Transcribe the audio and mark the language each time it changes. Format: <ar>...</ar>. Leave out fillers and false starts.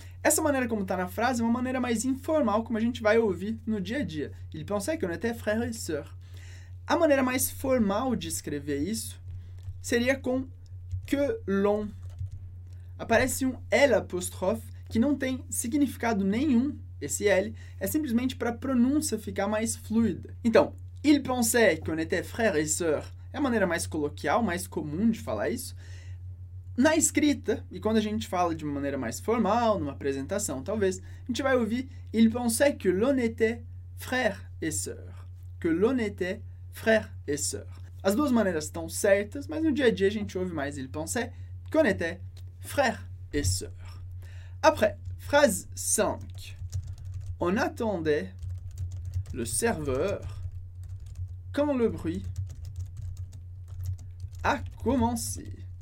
<pt>Essa maneira como está na frase é uma maneira mais informal, como a gente vai ouvir no dia a dia.</pt> <fr>Il pensait qu'on était frère et sœur.</fr> <pt>A maneira mais formal de escrever isso seria com</pt> <fr>que l'on.</fr> <pt>Aparece um L apostrofe que não tem significado nenhum, esse L. É simplesmente para a pronúncia ficar mais fluida. Então,</pt> <fr>il pensait qu'on était frère et sœur</fr> <pt>é a maneira mais coloquial, mais comum de falar isso. Na escrita, e quando a gente fala de uma maneira mais formal, numa apresentação, talvez, a gente vai ouvir</pt> <fr>il pensait que l'on était frère et sœur. Que l'on était frère et sœur.</fr> <pt>As duas maneiras estão certas, mas no dia a dia a gente ouve mais</pt> <fr>il pensait qu'on était frère et sœur. Après, phrase 5. On attendait le serveur quand le bruit a commencé.</fr>